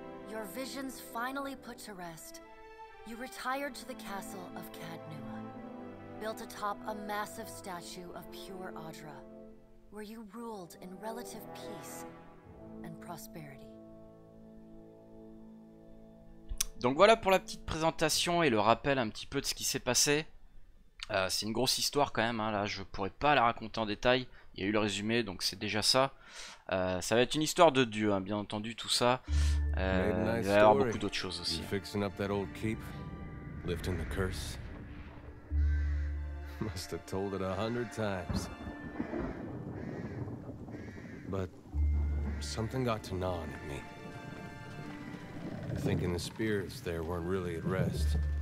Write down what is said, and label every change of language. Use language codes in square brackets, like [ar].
[en] Your visions finally put to rest, you retired to the castle of Cad Nua, built atop a massive statue of pure Audra, where you ruled in relative peace and prosperity. [fr] Donc voilà pour la petite présentation et le rappel un petit peu de ce qui s'est passé. C'est une grosse histoire quand même, hein, là je pourrais pas la raconter en détail, il y a eu le résumé donc c'est déjà ça. Ça va être une histoire de dieu, hein, bien entendu tout ça. Il va y avoir beaucoup d'autres choses aussi. [en] Fixing up that old keep, lifting the curse. Must have told it 100 times. But something got to gnawing at me. Thinking the spirits there weren't really at rest.